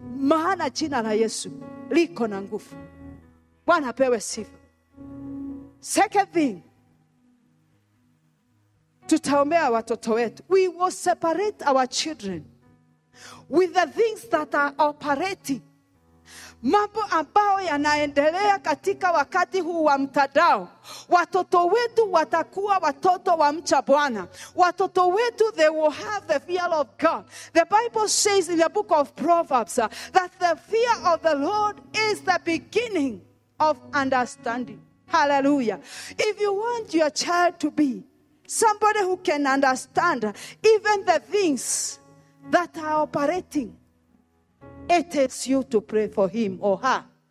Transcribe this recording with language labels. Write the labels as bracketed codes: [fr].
[sw] Maana jina la Yesu liko na nguvu. Bwana pewe sifa. [en] Second thing, [sw] tutaombea watoto wetu. [en] We will separate our children with the things that are operating. [sw] Mambo ambayo yanaendelea katika wakati huu wa mtandao. Watoto wetu watakuwa watoto wa mcha Bwana. Watoto wetu, [en] they will have the fear of God. The Bible says in the book of Proverbs that the fear of the Lord is the beginning of understanding. Hallelujah. If you want your child to be somebody who can understand even the things that are operating, it is you to pray for him or her.